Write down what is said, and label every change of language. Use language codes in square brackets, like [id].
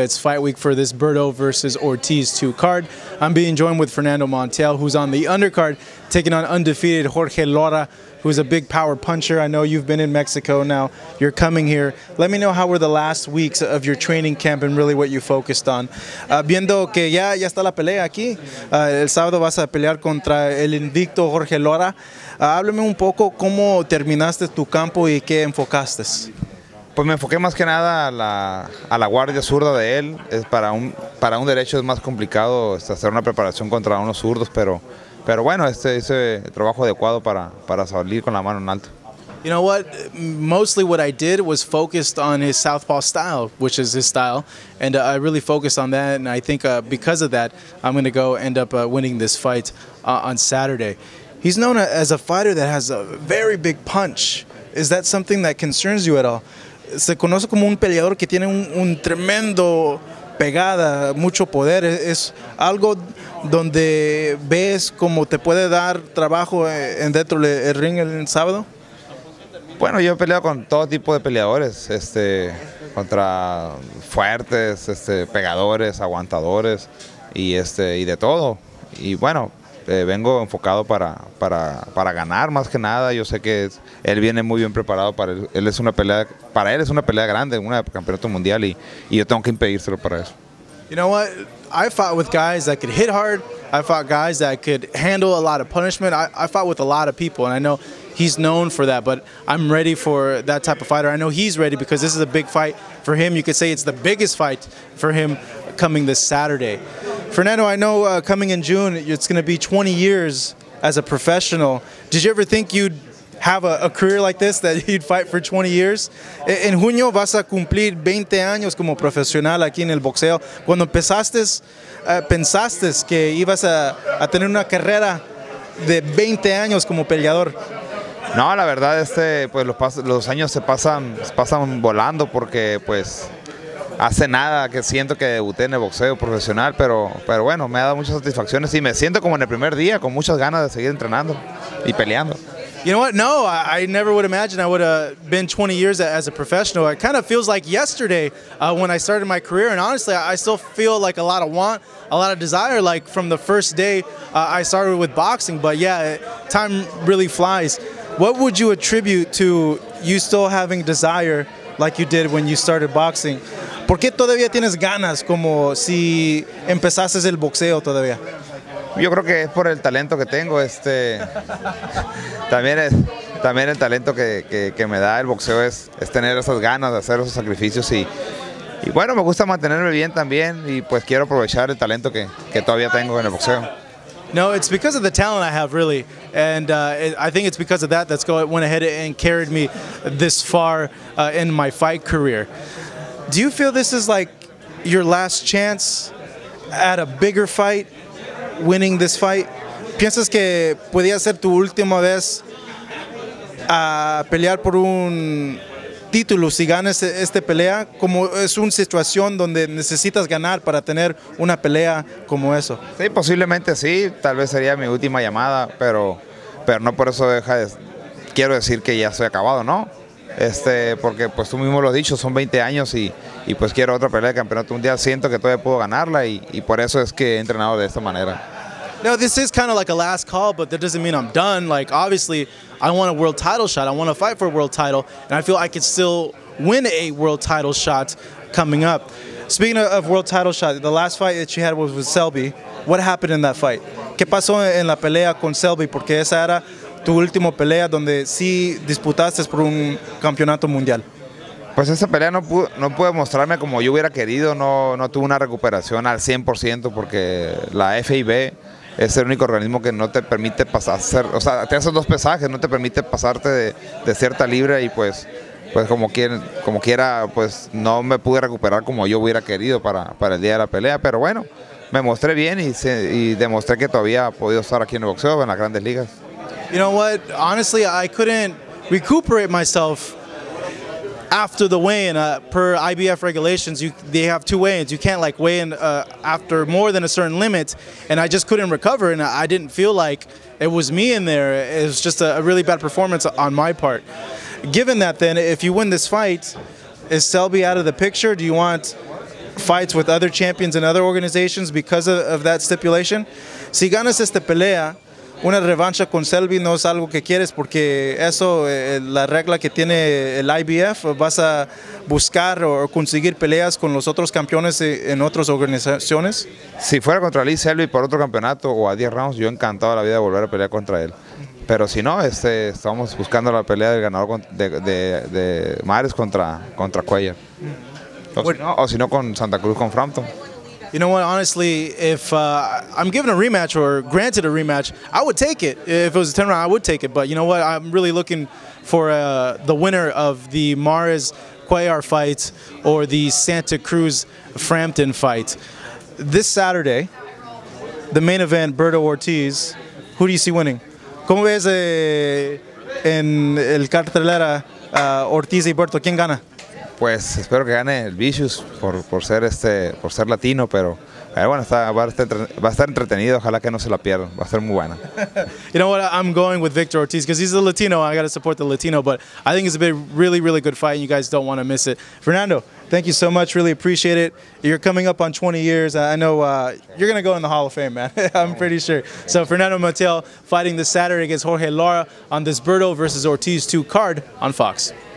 [en] It's fight week for this Berto versus Ortiz 2 card. I'm being joined with Fernando Montiel, who's on the undercard, taking on undefeated Jorge Lora, who's a big power puncher. I know you've been in Mexico now. You're coming here. Let me know how were the last weeks of your training camp and really what you focused on. [es] Viendo que ya está la pelea aquí, el sábado vas a pelear contra el invicto Jorge Lora. Háblame un poco cómo terminaste tu campo y qué enfocaste. Pues me enfoqué más que nada a la guardia zurda de él. Es para un derecho es más complicado hacer una preparación contra unos zurdos, pero bueno, ese trabajo adecuado para salir con la mano en alto. [en] You know what? Mostly what I did was focused on his southpaw style, which is his style, and I really focused on that, and I think because of that, I'm going to go end up winning this fight on Saturday. He's known as a fighter that has a very big punch. Is that something that concerns you at all? [es] Se conoce como un peleador que tiene un tremendo pegada, mucho poder. Es algo donde ves cómo te puede dar trabajo dentro del ring el sábado. Bueno, yo he peleado con todo tipo de peleadores, contra fuertes, pegadores, aguantadores y de todo. Y bueno, vengo enfocado para ganar más que nada. Yo sé que él viene muy bien preparado para él. Es una pelea, para él es una pelea grande, una campeonato mundial, y yo tengo que impedírselo para eso. [en] You know what? I fought with guys that could hit hard. I fought guys that could handle a lot of punishment. I fought with a lot of people, and I know he's known for that, but I'm ready for that type of fighter. I know he's ready because this is a big fight for him. You could say it's the biggest fight for him coming this Saturday. Fernando, I know coming in June, it's going to be 20 years as a professional. Did you ever think you'd have a career like this, that you'd fight for 20 years? [es] En junio vas a cumplir 20 años como profesional aquí en el boxeo. Cuando empezaste, pensaste que ibas a tener una carrera de 20 años como peleador. No, la verdad, pues los años se pasan volando porque, pues, hace nada que siento que debuté en el boxeo profesional, pero bueno, me ha dado muchas satisfacciones y me siento como en el primer día, con muchas ganas de seguir entrenando y peleando. [en] You know what? No, I never would imagine I would have been 20 years as a professional. It kind of feels like yesterday when I started my career, and honestly, I still feel like a lot of want, a lot of desire, like from the first day I started with boxing. But yeah, time really flies. What would you attribute to you still having desire like you did when you started boxing? [es] ¿Por qué todavía tienes ganas como si empezases el boxeo todavía? Yo creo que es por el talento que tengo. También el talento que me da el boxeo es tener esas ganas de hacer esos sacrificios. Y bueno, me gusta mantenerme bien también, y pues quiero aprovechar el talento que todavía tengo en el boxeo. [en] No, it's because of the talent I have, really. And I think it's because of that that's went ahead and carried me this far in my fight career. Do you feel this is like your last chance at a bigger fight, winning this fight? [es] ¿Piensas que podría ser tu última vez a pelear por un título si ganas esta pelea? Como es una situación donde necesitas ganar para tener una pelea como eso. Sí, posiblemente sí. Tal vez sería mi última llamada, pero no por eso quiero decir que ya estoy acabado, ¿no? Porque pues tú mismo lo has dicho, son 20 años y pues quiero otra pelea de campeonato mundial. Siento que todavía puedo ganarla y por eso es que he entrenado de esta manera. [en] No, this is kind of like a last call, but that doesn't mean I'm done. Like, obviously, I want a world title shot. I want to fight for a world title, and I feel I could still win a world title shot coming up. Speaking of world title shot, the last fight that you had was with Selby. What happened in that fight? [es] ¿Qué pasó en la pelea con Selby? Porque esa era tu última pelea donde sí disputaste por un campeonato mundial. Pues esa pelea no pude mostrarme como yo hubiera querido. No tuve una recuperación al 100% porque la FIB es el único organismo que no te permite pasar, o sea, te hacen dos pesajes, no te permite pasarte de cierta libra, y pues como quiera, pues no me pude recuperar como yo hubiera querido para el día de la pelea. Pero bueno, me mostré bien y demostré que todavía he podido estar aquí en el boxeo, en las grandes ligas. [en] You know what? Honestly, I couldn't recuperate myself after the weigh-in. Per IBF regulations, they have two weigh-ins. You can't like weigh in after more than a certain limit, and I just couldn't recover, and I didn't feel like it was me in there. It was just a really bad performance on my part. Given that, then, if you win this fight, is Selby out of the picture? Do you want fights with other champions and other organizations because of that stipulation? [es] Si ganas esta pelea, una revancha con Selby no es algo que quieres porque eso, la regla que tiene el IBF, vas a buscar o conseguir peleas con los otros campeones en otras organizaciones. Si fuera contra Lee Selby por otro campeonato o a 10 rounds, yo encantado la vida de volver a pelear contra él. Pero si no, estamos buscando la pelea del ganador de Mares contra Cuellar. O si no, con Santa Cruz, con Frampton. [en] You know what, honestly, if I'm given a rematch or granted a rematch, I would take it. If it was a 10 round, I would take it. But you know what, I'm really looking for the winner of the Mares-Cuellar fight or the Santa Cruz-Frampton fight. This Saturday, the main event, Berto Ortiz, who do you see winning? [es] ¿Cómo ves en el cartelera Ortiz y Berto? ¿Quién gana? Pues espero que gane el Vicious por ser latino, pero bueno, va a estar entretenido, ojalá que no se la pierdan, va a ser muy buena. [en] You know what, I'm going with Victor Ortiz because he's a Latino, I got to support the Latino, but I think it's a really, really good fight and you guys don't want to miss it. Fernando, thank you so much, really appreciate it. You're coming up on 20 years, I know you're going to go in the Hall of Fame, man, I'm pretty sure. So Fernando Mateo fighting this Saturday against Jorge Lara on this Berto versus Ortiz 2 card on Fox.